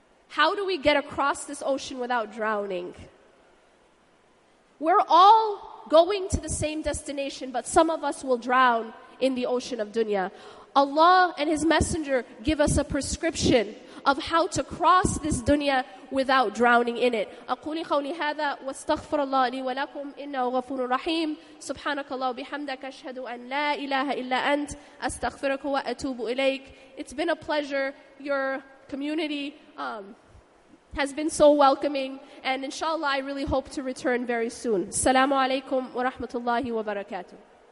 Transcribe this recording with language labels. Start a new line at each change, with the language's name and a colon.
English: How do we get across this ocean without drowning? We're all going to the same destination, but some of us will drown in the ocean of dunya. Allah and His Messenger give us a prescription of how to cross this dunya without drowning in it.
Arabic: أقولي قولي هذا واستغفر الله لي ولكم إنه غفور رحيم سبحانك الله بحمدك أشهد أن لا إله إلا أنت أستغفرك وأتوب إليك.
English: It's been a pleasure. Your community has been so welcoming, and inshallah, I really hope to return very soon. Assalamu alaikum wa rahmatullahi wa barakatuh.